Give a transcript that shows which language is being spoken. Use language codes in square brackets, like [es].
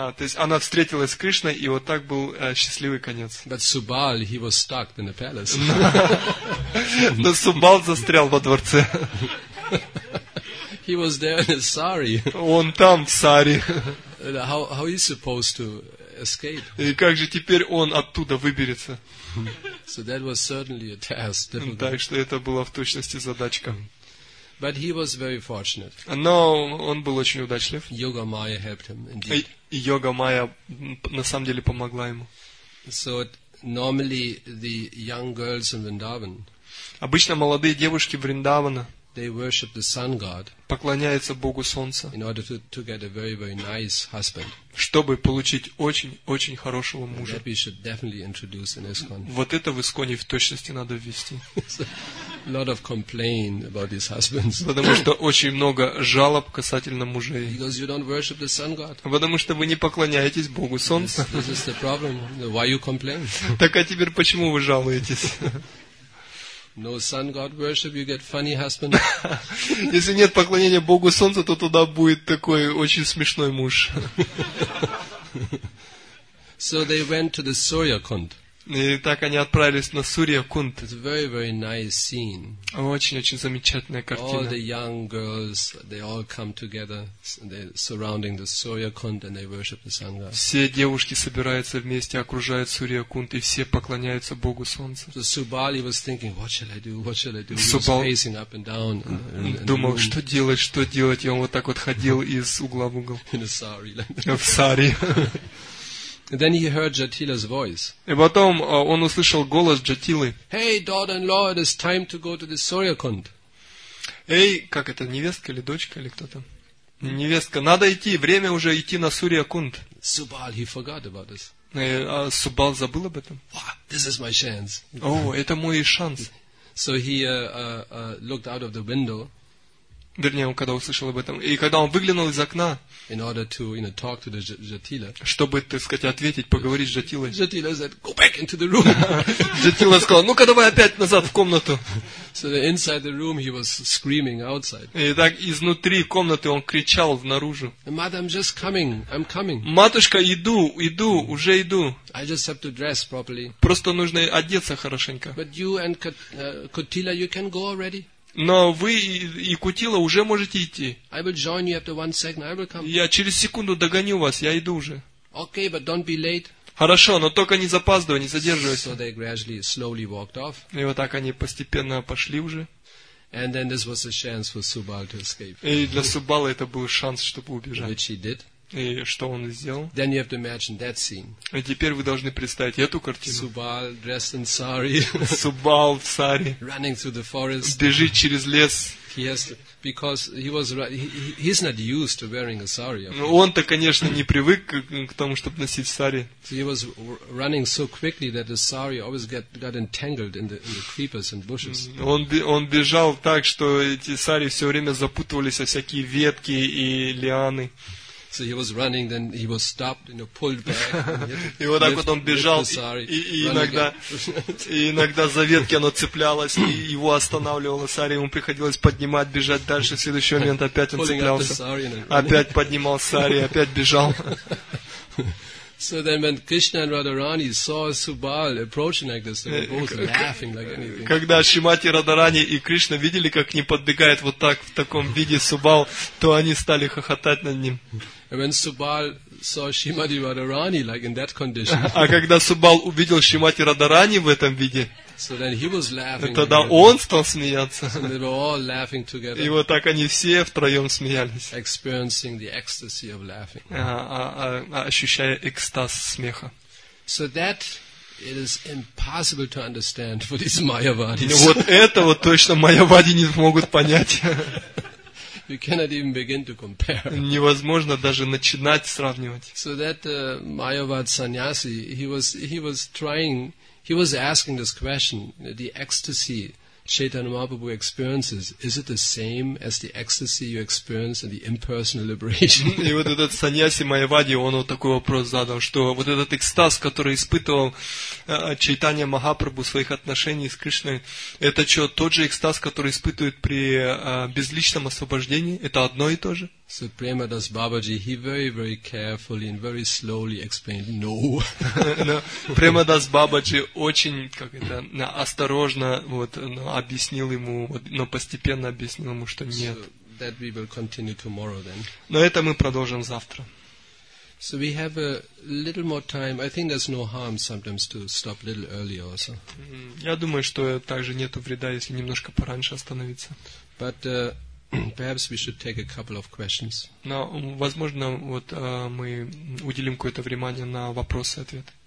[ru] То есть она встретилась с Кришной, и вот так был счастливый конец. [en] But Subal, he was stuck in the palace. [ru] Но Субал застрял во дворце. [en] He was there in sari. [ru] Он там в сари. [en] How is he supposed to escape? [ru] И как же теперь он оттуда выберется? [en] So that was certainly a task. [ru] Так что это была в точности задачка. [en] But he was very fortunate. [ru] Но он был очень удачлив. [en] Yoga Maya helped him, indeed. [ru] Йога Майя на самом деле помогла ему. [en] So normally the young girls in Vrindavan. [ru] Обычно молодые девушки Вриндавана. [en] They worship the sun god. [ru] Поклоняются Богу Солнца. [en] In order to get a very very nice husband. [ru] Чтобы получить очень очень хорошего мужа. [en] That we should definitely introduce in ISKCON. [ru] Вот это в ИСКОНе в точности надо ввести. [en] A lot of complaint about these husbands. [ru] Потому что очень много жалоб касательно мужей. [en] Because you don't worship the sun god. [ru] Потому что вы не поклоняетесь Богу Солнца. [en] This is the problem. Why you complain? [ru] Так а теперь почему вы жалуетесь? [en] No sun god worship, you get funny husband. [ru] Если нет поклонения Богу Солнца, то туда будет такой очень смешной муж. [en] So they went to the Surya Kund. [ru] И так они отправились на Сурья Кунд. [en] It's a very, very nice scene. [ru] Очень-очень замечательная картина. [en] All the young girls, they all come together, they're surrounding the Surya Kund and they worship the sun god. [ru] Все девушки собираются вместе, окружают Сурья Кунд и все поклоняются Богу Солнца. [en] So Subal was thinking, what shall I do? What shall I do? He was pacing up and down. [ru] Думал, что делать, что делать? И он вот так вот ходил из угла в угол. [en] In a sari. [ru] В сари. [en] And then he heard Jatila's voice. [ru] И потом он услышал голос Джатилы. [en] Hey, daughter-in-law, it is time to go to the Surya Kund. [ru] Эй, как это, невестка или дочка или кто там? Невестка, надо идти, время уже идти на Сурья-кунд. [en] Subal, he forgot about this. [ru] А Субал забыл об этом? [en] Wow, this is my chance. [ru] О, это мой шанс. [en] So he looked out of the window. [ru] Вернее, он когда услышал об этом, и когда он выглянул из окна, [en] in order to, you know, talk to the Jatila, [ru] чтобы, так сказать, ответить, поговорить с Джатилой, [en] Jatila said, "Go back into the room." [ru] Jatila сказал, ну-ка давай опять назад в комнату. [en] So the inside the room he was screaming outside. [ru] И так изнутри комнаты он кричал внаружи. [en] Madam, just coming. I'm coming. [ru] Матушка, иду, иду, уже иду. [en] I just have to dress properly. [ru] Просто нужно одеться хорошенько. [en] But you and Kutila, you can go already. [ru] Но вы и Кутила уже можете идти. [en] I will join you after one second. I will come. [ru] Я через секунду догоню вас, я иду уже. [en] Okay, but don't be late. [ru] Хорошо, но только не запаздывай, не задерживайся. [en] So they gradually, slowly walked off. [ru] И вот так они постепенно пошли уже. [en] And then this was a chance for Subal to escape. [ru] И для Субала это был шанс, чтобы убежать. [en] Which he did. [ru] И что он сделал? [en] Then you have to imagine that scene. [ru] И теперь вы должны представить эту картину. [en] Subal dressed in sari. [ru] Subal в сари. [en] Running through the forest. [ru] Бежит через лес. [en] He has to, because he was he's not used to wearing a sari. [ru] Ну он-то, конечно, не привык к тому, чтобы носить сари. [en] So he was running so quickly that the sari always got entangled in the creepers and bushes. [ru] Он бежал так, что эти сари все время запутывались во всякие ветки и лианы. [en] So he was running, then he was stopped, you know, pulled back. [ru] И вот так вот он бежал, и иногда за ветки оно цеплялось, и его останавливало сари, ему приходилось поднимать, бежать дальше, в следующий момент опять он цеплялся. Опять поднимал сари, опять бежал. [en] So then when Krishna and Radharani saw Subal approaching like this, they were both laughing like anything. [ru] Когда Шримати Радхарани и Кришна видели, как к ним подбегает вот так, в таком виде Субал, то они стали хохотать над ним. [en] And when Subal saw Shrimati Radharani like in that condition. [ru] А когда Субал увидел Шримати Радхарани в этом виде, [en] so then he was laughing. [ru] Тогда он стал смеяться. [en] So they were all laughing together. [ru] И вот так они все втроем смеялись. [en] Experiencing the ecstasy of laughing. [ru] Ощущая экстаз смеха. [en] So that it is impossible to understand for these Mayavadis. [ru] Вот этого точно Майявади не смогут понять. [en] You cannot even begin to compare. [ru] Невозможно даже начинать сравнивать. [en] So that Mayavad Sanyasi, he was trying, he was asking this question, the ecstasy Chaitanya Mahaprabhu experiences, is it the same as the ecstasy you experience in the impersonal liberation? [ru] И вот этот Саньяси Майявади, он вот такой вопрос задал, что вот этот экстаз, который испытывал Чайтанья Махапрабху в своих отношениях с Кришной, это что, тот же экстаз, который испытывает при безличном освобождении? Это одно и то же? [en] So Prema Das Babaji, he very, very carefully and very slowly explained, no. [ru] Prema Das Babaji очень, как это, осторожно вот, ну, объяснил ему, вот, но постепенно объяснил ему, что нет. [en] So that we will continue tomorrow then. [ru] Но это мы продолжим завтра. [en] So we have a little more time. I think there's no harm sometimes to stop a little earlier also. [ru] Я думаю, что также нету вреда, если немножко пораньше остановиться. [en] But perhaps we should take a couple of questions. [ru] Но, возможно, вот мы уделим какое-то внимание на вопрос-ответ.